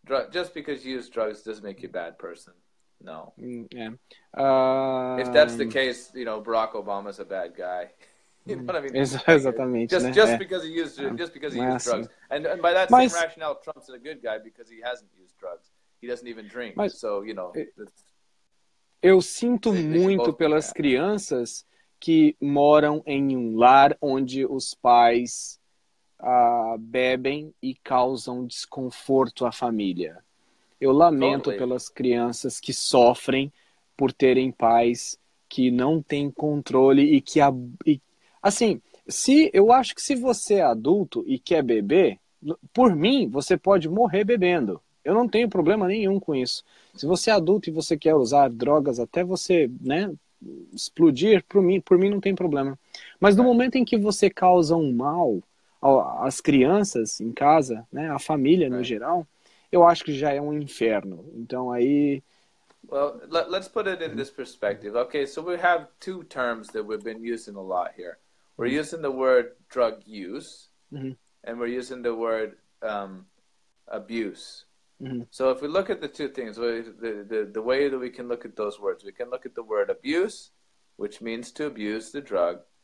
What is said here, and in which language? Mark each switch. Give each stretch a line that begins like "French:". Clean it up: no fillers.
English: Just because you use drugs doesn't make you a bad person. No. If that's the case, you know, Barack Obama's a bad guy. You know what I mean?
Portuguese: Exatamente.
English: Just because he used drugs. And by that same rationale, Trump's a good guy because he hasn't used drugs. He doesn't even drink.
Portuguese: Mas,
English: so, you know,
Portuguese: eu sinto muito pelas crianças que moram em um lar onde os pais bebem e causam desconforto à família. Eu lamento pelas crianças que sofrem por terem pais que não têm controle e que... assim, se eu acho que se você é adulto e quer beber, por mim, você pode morrer bebendo. Eu não tenho problema nenhum com isso. Se você é adulto e você quer usar drogas até você, né, explodir, por mim não tem problema. Mas no momento em que você causa um mal às crianças em casa, né, à família no geral, eu acho que já é um inferno. Então aí...
English: Well, let's put it in this perspective. Okay, so we have two terms that we've been using a lot here. We're using the word drug use, and we're using the word abuse. So if we look at the two things, the way that we can look at those words, we can look at the word abuse, which means to abuse the drug.